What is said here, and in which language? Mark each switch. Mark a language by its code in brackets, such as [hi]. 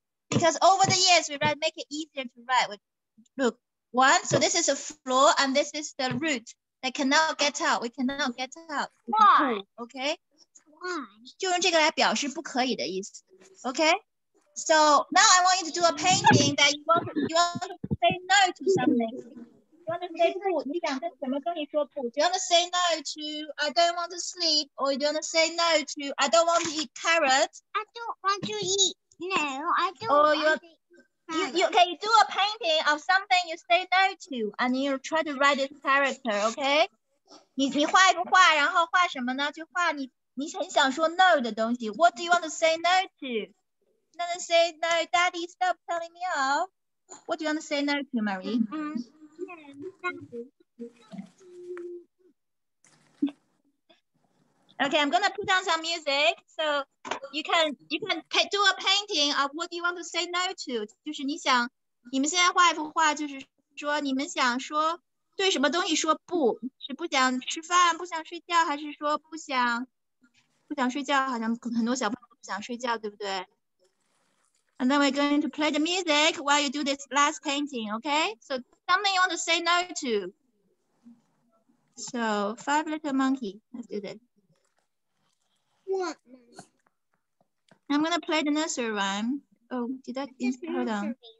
[en] Because over the years we write, make it easier to write. With, look, one. So this is a floor, and this is the root that cannot get out. We cannot get out. Why? Okay. Why? [zh] 就用这个来表示不可以的意思. [en] Okay. So now I want you to do a painting that you want to say no to something. You want to say no to I don't want to sleep, or you want to say no to I don't want to eat carrots. I don't want to eat. No, I don't want to eat carrots. Okay, you do a painting of something you say no to, and you try to write this character, okay? [zh] 你画一幅画，然后画什么呢？就画你很想说no的东西。 [en] What do you want to say no to? You want to say no, Daddy, stop telling me off. What do you want to say no to, Marie? Okay, I'm going to put on some music. So you can do a painting of what you want to say no to. [zh] 就是你想你们现在画一幅画，就是说你们想说对什么东西说不，是不想吃饭，不想睡觉，还是说不想睡觉？好像很多小朋友不想睡觉，对不对？ [en] And then we're going to play the music while you do this last painting, okay? So something you want to say no to. So five little monkey. Let's do this. What? I'm going to play the nursery rhyme. Oh, did that? Hold on.